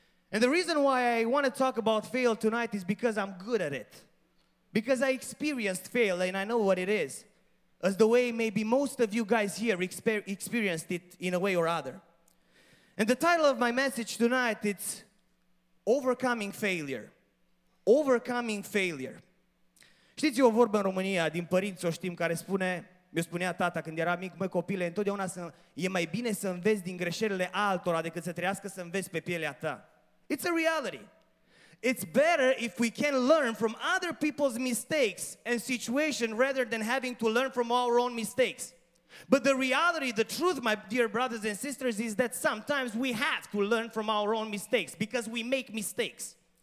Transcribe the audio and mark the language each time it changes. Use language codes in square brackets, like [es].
[en] And the reason why I want to talk about fail tonight is because I'm good at it. Because I experienced fail and I know what it is, as the way maybe most of you guys here experienced it in a way or other. And the title of my message tonight, it's Overcoming Failure. Overcoming Failure. [ro] Știți, e o vorbă în România, din părinți o știm, care spune, mi-o spunea tata când era mic, măi copile, întotdeauna e mai bine să înveți din greșelile altora decât să trăiască să înveți pe pielea ta. [en] It's a reality. It's better if we can learn from other people's mistakes and situation rather than having to learn from our own mistakes. But the reality, the truth, my dear brothers and sisters, is that sometimes we have to learn from our own mistakes because we make mistakes.